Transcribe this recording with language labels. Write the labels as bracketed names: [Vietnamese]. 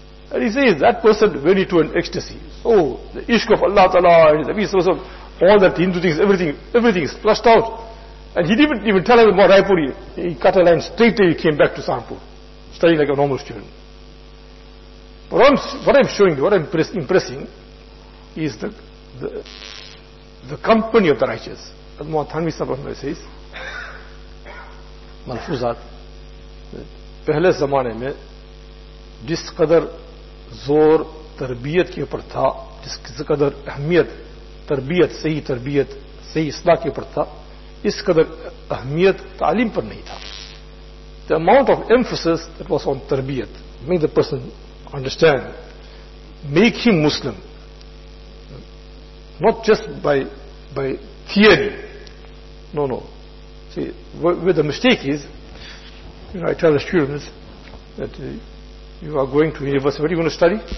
[English] And he says, that person went into an ecstasy. So the ishq of Allah Ta'ala, and the peace of all that Hindu things, everything is flushed out. And he didn't even tell him about Raipuri. He cut a line straight away, he came back to Sahanpur, studying like a normal student. But what I'm showing you, what I'm impressing, is the company of the righteous. As Mawlana Thanvi Sahib says, [Urdu] ملفوظات, پہلے زمانے میں جس قدر زور تربیت کے اوپر تھا, جس قدر اہمیت تربیت, صحیح تربیت, صحیح اصلاح کے اوپر تھا, اس قدر اہمیت تعلیم پر نہیں تھا. [English] The amount of emphasis that was on تربیت, make the person understand, make him Muslim, not just by theory, no. See, where the mistake is, you know, I tell the students that you are going to university, what are you going to study?